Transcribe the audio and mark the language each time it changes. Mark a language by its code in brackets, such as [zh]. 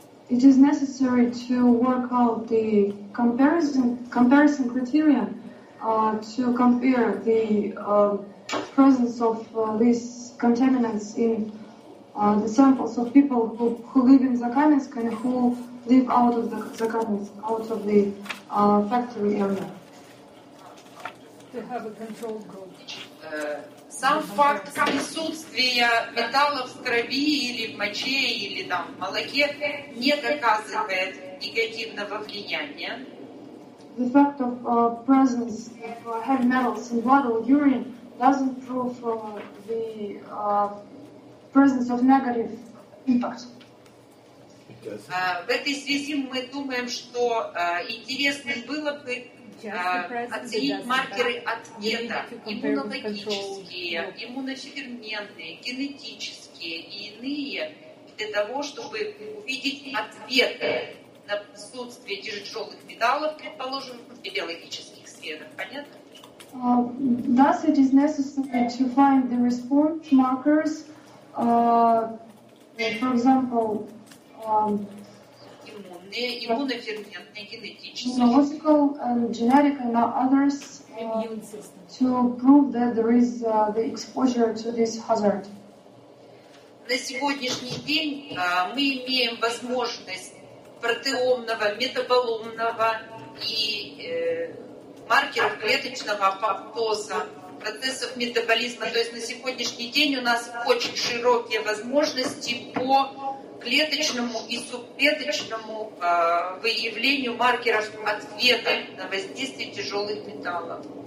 [en] It is necessary to work out the comparison criteria to compare the presence of these contaminants in the samples of people who live in Закаменск and who live out of the Закаменск, out of the factory area. To have a control group. [ru] Сам факт присутствия металлов в крови или в моче или там в молоке не доказывает негативного влияния. [en] The fact of presence of heavy metals in blood or urine doesn't prove the presence of negative impact. [ru] В этой связи мы думаем, что интересно было бы оценить маркеры ответа, иммунологические, иммуноферментные, генетические и иные, для того, чтобы увидеть ответы на присутствие тяжелых металлов, предположим, в биологических сферах. Понятно? [en] Thus, it is necessary to find the response markers, for example, immunological and genetic and others, immune system, to prove that there is the exposure to this hazard. [ru] на сегодняшний день мы имеем возможность протеомного, метаболомного и маркеров клеточного апоптоза, процессов метаболизма. То есть на сегодняшний день у нас очень широкие возможности по клеточному и субклеточному выявлению маркеров ответа на воздействие тяжелых металлов.